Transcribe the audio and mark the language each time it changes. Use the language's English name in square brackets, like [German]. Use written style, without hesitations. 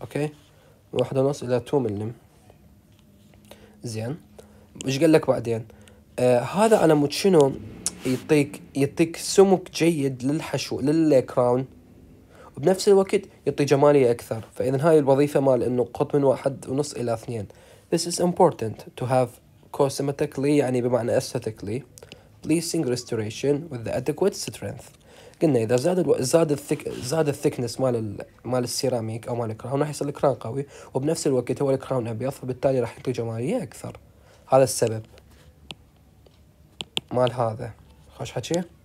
[Arabic] اوكي 1.5 الى 2 ملم. زين ايش قال لك بعدين؟ هذا على مود شنو يعطيك سمك جيد للحشو للكراون وبنفس الوقت يعطي جماليه اكثر. فاذا هاي الوظيفه مال انه قط من 1.5 الى 2. [English] This is important to have cosmetically [Arabic] يعني بمعنى [English] aesthetically pleasing restoration with the adequate strength. [Arabic] قلنا إذا زاد الثيكنس مال السيراميك أو مال الكراون راح يصير الكراون قوي، وبنفس الوقت هو الكراون أبيض فبالتالي راح يعطي جمالية أكثر. هذا السبب مال هذا. خوش حكي.